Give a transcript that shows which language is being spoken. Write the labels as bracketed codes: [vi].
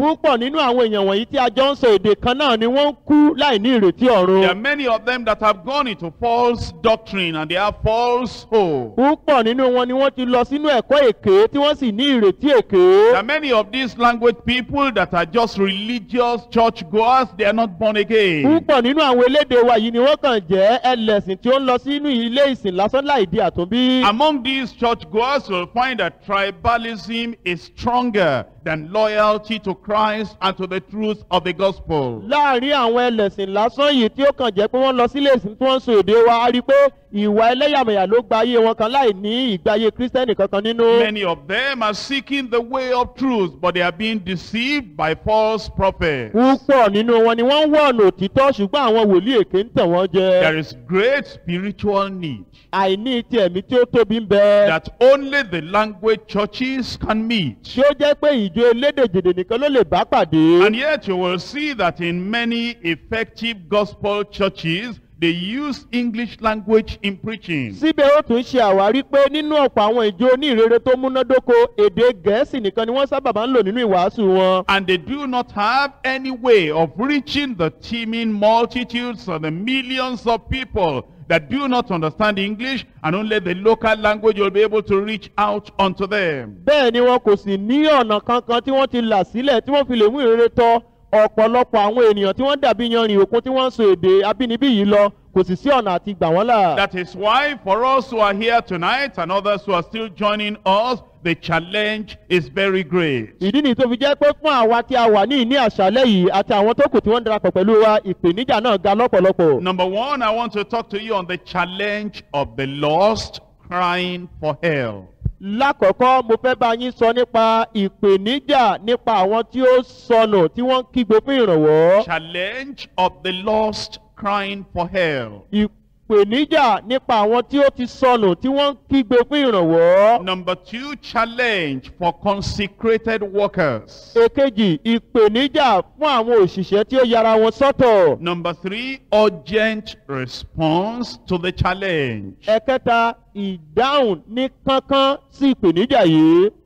[yo] Pupo ninu awon eyan won yi ti a jo nso ede kan na ni won ku lai ni ireti orun. [en] There are many of them that have gone into false doctrine and they have false hope. [yo] Pupo ninu won ni won ti lo sinu eko eke ti won si ni ireti eke. [en] There are many of these language people that are just religious church goers, they are not born again. [yo] Púpọ̀ nínú àwọn elédè wa yìí ni wọ́n kàn jẹ́ ẹlẹ́sìn tí ó ń lọ sínú ilé ìsìn lásán láìdí àtúnbí. [en] Among these churchgoers, you'll find that tribalism is stronger than loyalty to Christ and to the truth of the gospel. [yo] Láàárín àwọn ẹlẹ́sìn lásán yìí tí ó kàn jẹ́ pé wọ́n lọ sí ilé ìsìn tí wọ́n ń sọ èdè wa, a rí pé ìwà ẹlẹ́yàmẹ̀yà ló gba ayé wọn kan láì ní ìgbáyé kírísítẹ́nì kankan nínú. [en] Many of them are seeking the way of truth, but they are being deceived by false prophets. [yo] Púpọ̀ nínú wọn ni wọ́n ń wọ̀ ọ̀nà òtítọ́, ṣùgbọ́n àwọn wòlíì èké ń tàn wọ́n jẹ. [en] There is great spiritual need. [yo] Àìní ti ẹ̀mí tí ó tóbi ń bẹ. [en] That only the language churches can meet. [yo] Ṣé ó jẹ́ pé ìjọ elédèjìdè nìkan ló lè bá pàdé? [en] And yet you will see that in many effective gospel churches, they use English language in preaching. [yo] Síbẹ̀ ó tún ṣe àwárí pé nínú ọ̀pọ̀ àwọn ìjọ onírere tó múnádóko, èdè Gẹ̀ẹ́sì nìkan ni wọ́n sábà máa ń lò nínú ìwàásù wọn. [en] And they do not have any way of reaching the teeming multitudes of the millions of people that do not understand English, and only the local language will be able to reach out unto them. [yo] Bẹ́ẹ̀ ni wọn kò sì ní ọ̀nà kankan tí wọ́n ti là sílẹ̀ tí wọ́n fi lè mú ìrere tọ́. Ọ̀pọ̀lọpọ̀ àwọn ènìyàn tí wọ́n dàbí yanrìn òkun tí wọ́n ń sọ èdè abínibí yìí lọ, kò sì sí ọ̀nà àti gbà wọ́n là. [en] That is why for us who are here tonight and others who are still joining us, the challenge is very great. [yo] Ìdí ni tó fi jẹ́ pé fún àwa tí a wà ní ìní àṣálẹ́ yìí àti àwọn tó kù tí wọ́n ń darapọ̀ pẹ̀lú wa, ìpèníjà náà ga lọ́pọ̀lọpọ̀. [en] Number one, I want to talk to you on the challenge of the lost crying for help. [yo] Lákọ̀ọ́kọ́, mo fẹ́ bá yín sọ nípa ìpèníjà nípa àwọn tí ó sọnù tí wọ́n ń kígbe fún ìrànwọ́. [en] Challenge of the lost crying for help. [yo] Ìpèníjà nípa àwọn tí ó ti sọnù tí wọ́n ń kígbe fún ìrànwọ́. [en] Number two, challenge for consecrated workers. [yo] Èkejì, ìpèníjà fún àwọn òṣìṣẹ́ tí ó yara wọn sọ́tọ̀. [en] Number three, urgent response to the challenge. [yo] Ẹ̀kẹta, ìdáhùn ní kankan sí ìpèníjà yìí.